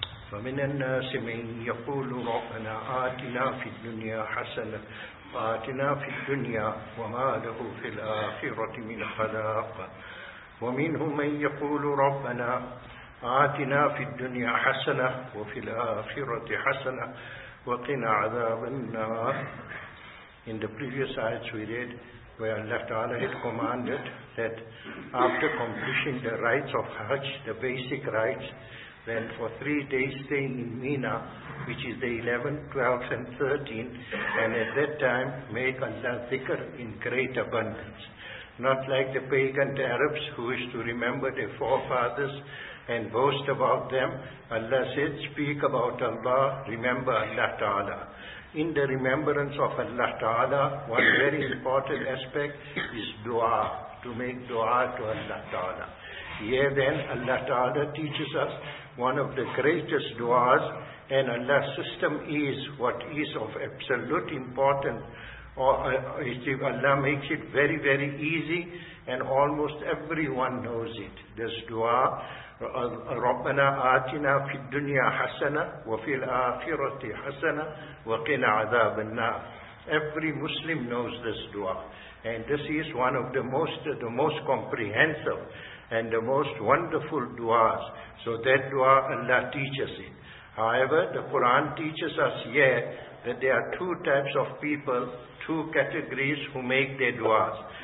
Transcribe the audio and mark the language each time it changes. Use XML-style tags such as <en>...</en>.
<ar>فمن الناس من يقول ربنا آتنا في الدنيا حسنة وآتنا في الدنيا وما له في الآخرة من خلاق، ومنهم من يقول ربنا آتنا في الدنيا حسنة وفي الآخرة حسنة وقنا عذاب النار.</ar> <en>In the previous ayats we read, where Allah Ta'ala had commanded that after completing the rites of Hajj, the basic rites, then for 3 days staying in Mina, which is the 11th, 12th and 13th, and at that time make Allah dhikr in great abundance. Not like the pagan Arabs who wish to remember their forefathers and boast about them. Allah said, speak about Allah, remember Allah Ta'ala. In the remembrance of Allah Ta'ala, one very important aspect is dua, to make dua to Allah Ta'ala. Here then, Allah Ta'ala teaches us one of the greatest duas, and Allah's system is what is of absolute importance. Allah makes it very, very easy, and almost everyone knows it. This dua,</en> <ar>رَبَّنَا آتِنَا فِي الدُّنْيَا حَسَنَةً وَفِي الْآخِرَةِ حَسَنَةً وَقِنَا عَذَابَ النَّارِ.</ar> <en>Every Muslim knows this dua, and this is one of the most comprehensive and the most wonderful duas. So that dua, Allah teaches it. However, the Quran teaches us here that there are two types of people, two categories who make their duas.</en>